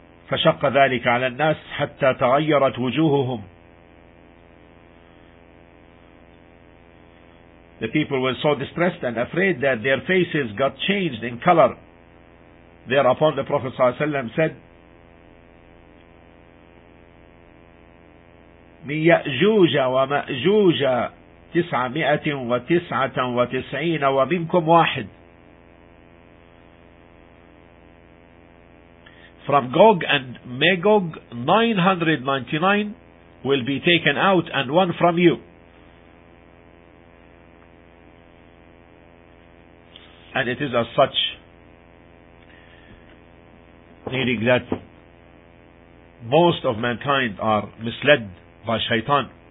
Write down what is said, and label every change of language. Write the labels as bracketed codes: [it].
[ar] فشق ذلك على الناس حتى تغيرت وجوههم. [en] The people were so distressed and afraid that their faces got changed in color. Thereupon the Prophet صلى الله عليه وسلم said, [ar] من يأجوج ومأجوج 999 ومنكم واحد. [en] From Gog and Magog, 999 will be taken out, and one from you. And it is as such, meaning that most of mankind are misled by Shaitan.